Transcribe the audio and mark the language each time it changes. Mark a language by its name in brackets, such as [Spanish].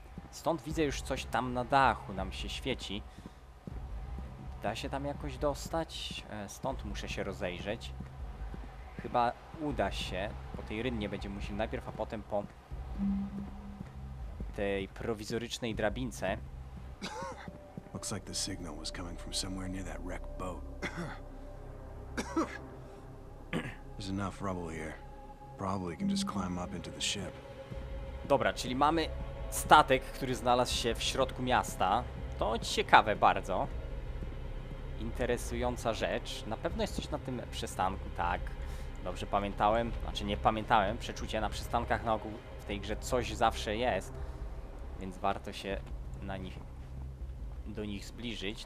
[Polish] Stąd widzę już coś tam na dachu, nam się świeci. Da się tam jakoś dostać? Stąd muszę się rozejrzeć. Chyba uda się. Po tej rynnie będziemy musieli najpierw, a potem po tej prowizorycznej drabince. [English] Looks like the signal was coming from somewhere near that wrecked boat. There's enough rubble here. Probably can just climb up into the ship. [Polish] Dobra, czyli mamy statek, który znalazł się w środku miasta. To ciekawe bardzo. Interesująca rzecz. Na pewno jest coś na tym przystanku, tak. Dobrze pamiętałem, znaczy nie pamiętałem, przeczucie na przystankach na ogół w tej grze coś zawsze jest, więc warto się na nich, do nich zbliżyć.